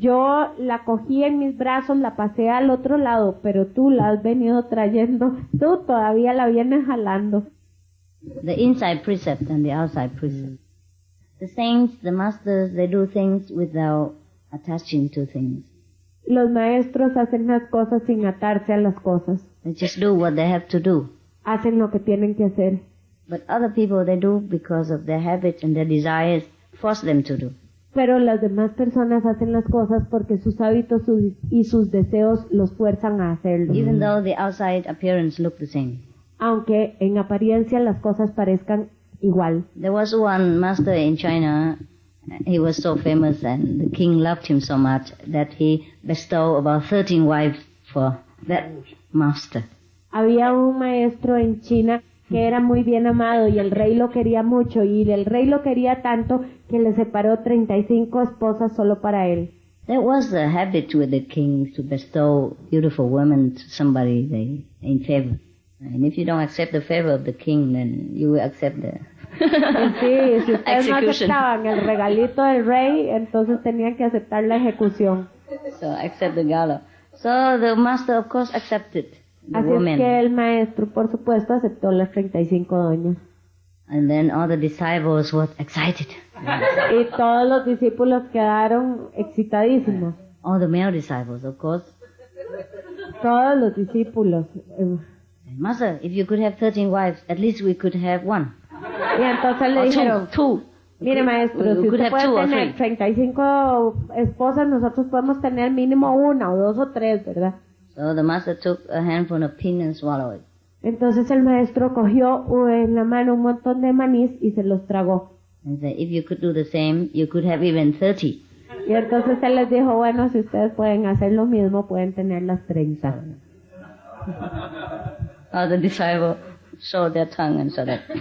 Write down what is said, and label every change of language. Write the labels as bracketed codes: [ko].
[es] Yo la cogí en mis brazos, la pasé al otro lado, pero tú la has venido trayendo, tú todavía la vienes jalando. [en] The inside precept and the outside precept. The saints, the masters, they do things without attaching to things. [es] Los maestros hacen las cosas sin atarse a las cosas. [en] They just do what they have to do. [es] Hacen lo que tienen que hacer. [en] But other people, they do because of their habits and their desires force them to do. [es] Pero las demás personas hacen las cosas porque sus hábitos y sus deseos los fuerzan a hacerlo. [en] Even though the outside appearance look the same. [es] Aunque en apariencia las cosas parezcan igual. [en] There was one master in China. He was so famous and the king loved him so much that he bestowed about 13 wives for that master. [es] Había un maestro en China que era muy bien amado y el rey lo quería mucho y el rey lo quería tanto que le separó 35 esposas solo para él. [en] There was a habit with the king to bestow beautiful women to somebody they in favor. And if you don't accept the favor of the king, then you will accept the [es] sí, si ustedes no aceptaban el regalito del rey, entonces tenían que aceptar la ejecución. [en] So accept the gala. So the master of course accepted. [es] Así es que el maestro, por supuesto, aceptó las 35 doñas. [en] And then all the disciples were excited. [es] Y todos los discípulos quedaron excitadísimos. [en] All the male disciples, of course. [es] Todos los discípulos. [en] Master, if you could have 13 wives, at least we could have one. [es] Y entonces le dijeron, mire maestro, si usted puede tener 35 esposas, nosotros podemos tener mínimo una o dos o tres, ¿verdad? [en] So the master took a handful of pin and swallowed it. [es] Entonces el maestro cogió en la mano un montón de maní y se los tragó. [en] And said, if you could do the same, you could have even 30. [es] Y entonces él les dijo, bueno, si ustedes pueden hacer lo mismo, pueden tener las 30. [en] Oh, the disciples showed their tongue and so that.